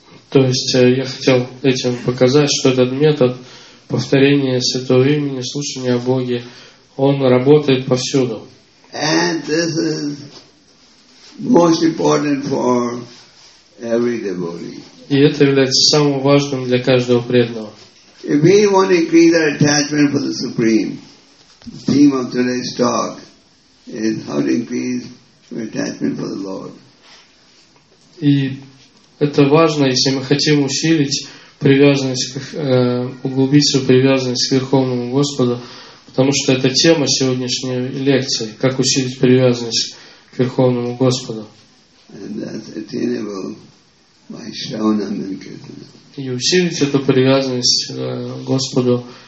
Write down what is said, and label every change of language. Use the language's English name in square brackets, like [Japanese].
[Russian] То есть я хотел этим показать, что этот метод повторения Святого Имени, слушания о Боге, он работает повсюду. [English] And this is most important for every devotee. [Russian] И это является самым важным для каждого преданного. [English] If we want to increase our attachment for the Supreme, the theme of today's talk is how to increase our attachment for the Lord. [Russian] И это важно, если мы хотим усилить привязанность, углубить свою привязанность к Верховному Господу. Потому что это тема сегодняшней лекции. Как усилить привязанность к Верховному Господу. И усилить эту привязанность к Господу